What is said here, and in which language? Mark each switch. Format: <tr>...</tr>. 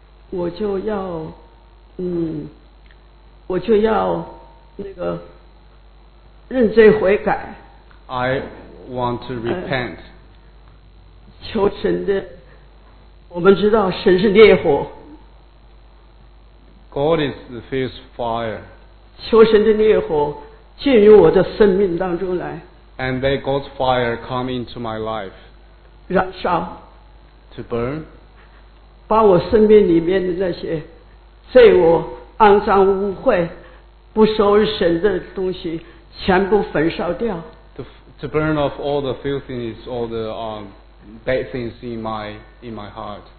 <zh>我就要认罪悔改。</zh> <en>I want to repent.</en> <zh>求神的，我们知道神是烈火。</zh> <en>God is the fierce fire.</en> <zh>求神的烈火进入我的生命当中来。</zh> <en>And let God's fire come into my life.</en> <zh>燃烧。</zh> <en>To burn.</en> <zh>把我生命里面的那些罪恶、肮脏、污秽、不收神的东西全部焚烧掉。</zh> <en>To burn off all the filthiness, all the bad things in my heart.</en>